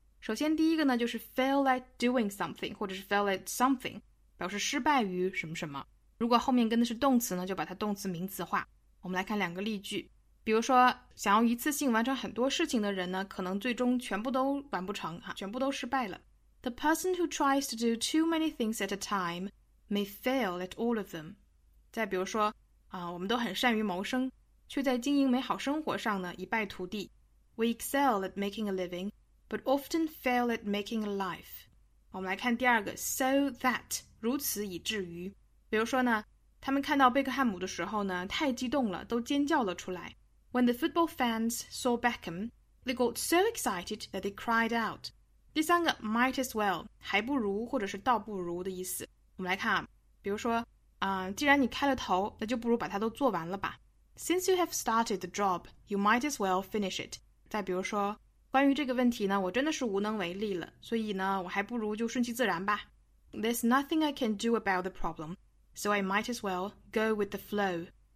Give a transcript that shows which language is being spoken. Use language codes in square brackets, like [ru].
[zh] 首先第一个呢，就是 fail at doing something， 或者是 fail at something， 表示失败于什么什么。如果后面跟的是动词呢，就把它动词名词化。我们来看两个例句。比如说，想要一次性完成很多事情的人呢，可能最终全部都完不成，全部都失败了。 [en] The person who tries to do too many things at a time may fail at all of them。 [zh] 再比如说，我们都很善于谋生，却在经营美好生活上呢一败涂地。 [en] We excel at making a living, but often fail at making a life. [zh] 我们来看第二个 ,so that, 如此以至于。比如说呢，他们看到贝克汉姆的时候呢，太激动了，都尖叫了出来。 [en] When the football fans saw Beckham, they got so excited that they cried out. [zh] 第三个 ,might as well, 还不如或者是倒不如的意思。我们来看，比如说，既然你开了头，那就不如把它都做完了吧。 [en] Since you have started the job, you might as well finish it. [zh] 再比如说，关于这个问题呢，我真的是无能为力了，所以呢，我还不如就顺其自然吧。 [en] There's nothing I can do about the problem, so I might as well go with the flow.